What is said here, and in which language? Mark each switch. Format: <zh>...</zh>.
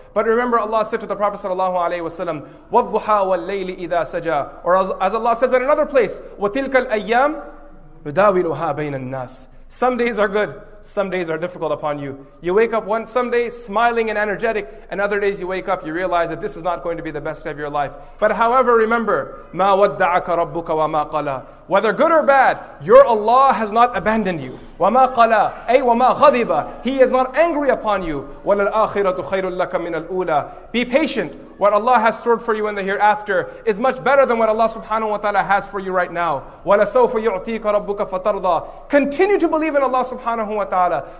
<en>But remember, Allah said to the Prophet sallallahu alaihi wasallam,</en> <ar>"Wadhuha wal layli idha saja."</ar> <en>Or as Allah says in another place,</en> <ar>"Watilka al ayyam nudawiluha bayna an-nas."</ar> <en>Some days are good, some days are difficult upon you. You wake up some day smiling and energetic, and other days you wake up, you realize that this is not going to be the best of your life. But however, remember,</en> <ar>مَا وَدَّعَكَ رَبُّكَ وَمَا قَلَى.</ar> <en>Whether good or bad, your Allah has not abandoned you.</en> <ar>وَمَا قَلَى أي وَمَا غَضِبَ.</ar> <en>He is not angry upon you.</en> <ar>وَلَلْآخِرَةُ خَيْرٌ لَكَ مِنَ الْأُولَى.</ar> <en>Be patient. What Allah has stored for you in the hereafter is much better than what Allah subhanahu wa ta'ala has for you right now.</en> <ar>وَلَسَوْفَ يُعْتِيكَ رَبُّكَ فَتَرْضَى.</ar> <en>Continue to believe in Allah subhanahu wa ta'ala.</en>